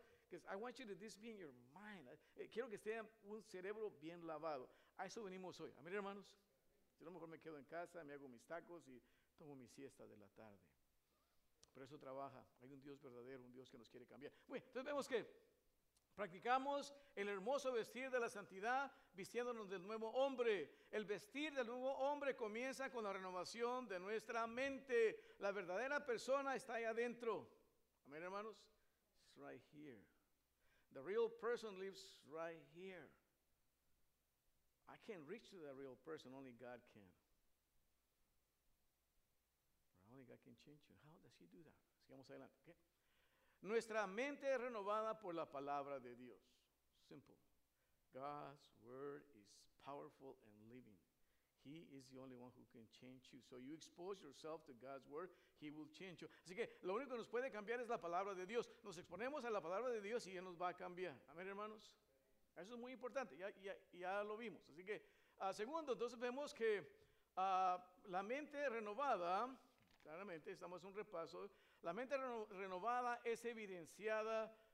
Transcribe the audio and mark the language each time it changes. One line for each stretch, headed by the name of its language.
English: Because I want you to this be in your mind.
Spanish: Quiero que esté un cerebro bien lavado. A eso venimos hoy. Amén, hermanos. Yo a lo mejor me quedo en casa, me hago mis tacos y tomo mi siesta de la tarde. Pero eso trabaja. Hay un Dios verdadero, un Dios que nos quiere cambiar. Muy bien, entonces vemos que practicamos el hermoso vestir de la santidad vistiéndonos del nuevo hombre. El vestir del nuevo hombre comienza con la renovación de nuestra mente. La verdadera persona está ahí adentro. Amén, hermanos.
English: It's right here. The real person lives right here. I can't reach to the real person. Only God can. Only God can change you. How does He do that?
Spanish: Sigamos adelante,
English: okay?
Spanish: Nuestra mente es renovada por la palabra de Dios.
English: Simple. God's word is powerful and living. He is the only one who can change you. So you expose yourself to God's word, He will change you.
Spanish: Así que lo único que nos puede cambiar es la palabra de Dios. Nos exponemos a la palabra de Dios y Él nos va a cambiar. Amén, hermanos. Eso es muy importante. Ya lo vimos. Así que, segundo, entonces vemos que la mente renovada, claramente, estamos en un repaso. La mente renovada es evidenciada